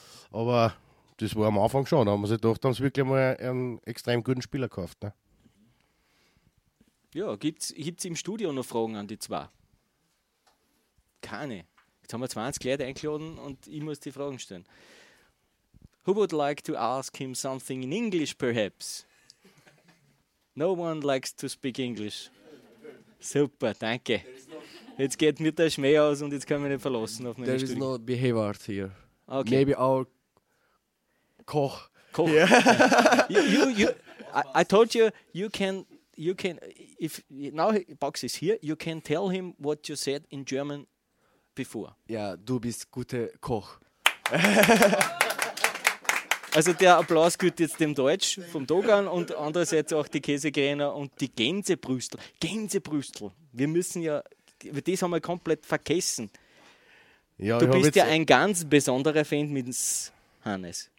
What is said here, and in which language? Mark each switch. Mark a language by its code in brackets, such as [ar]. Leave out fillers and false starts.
[de] Aber das war am Anfang schon. Da haben wir sich gedacht, da haben sie wirklich mal einen extrem guten Spieler gekauft. Ne? Ja, gibt's im Studio noch Fragen an die 2? Keine. Jetzt haben wir 20 Leute eingeladen und ich muss die Fragen stellen. [en] Who would like to ask him something in English, perhaps? No one likes to speak English. [de] Super, danke. Jetzt geht mir der Schmäh aus und jetzt können wir nicht verlassen auf meine [en] Stimme. There is no behavior here. Okay. Maybe our Koch. Koch. Yeah. I told you, you can, if now Box is here, you can tell him what you said in German before. [de] Yeah, du bist guter Koch. Also der Applaus gehört jetzt dem Deutsch vom Dogan und andererseits auch die Käsekräner und die Gänsebrüstel. Gänsebrüstel. Wir müssen ja, das haben wir komplett vergessen. Ja, du bist ja ein ganz besonderer Fan mit Hannes.